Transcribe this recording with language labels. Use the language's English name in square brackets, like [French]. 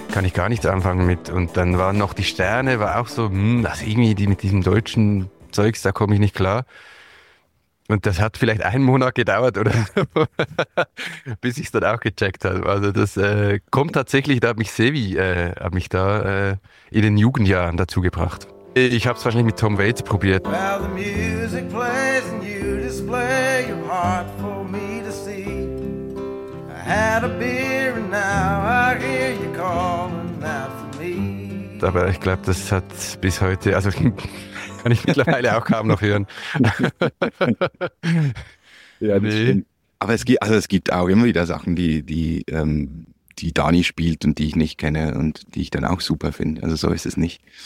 [German] Kann ich gar nichts anfangen mit. Und dann waren noch die Sterne, war auch so, also irgendwie die mit diesem deutschen Zeugs, da komme ich nicht klar. Und das hat vielleicht einen Monat gedauert, oder? Bis ich es dann auch gecheckt habe. Also das kommt tatsächlich, da hat mich Sevi in den Jugendjahren dazu gebracht. Ich habe es wahrscheinlich mit Tom Waits probiert. [English] Well, the music plays and you display your heart for me to see. I had a beer and now I hear you calling out for me. [German] Aber ich glaube, das hat bis heute, also kann ich mittlerweile auch kaum noch hören. Ja, das nee. Aber es gibt auch immer wieder Sachen, die Dani spielt und die ich nicht kenne und die ich dann auch super finde. Also so ist es nicht.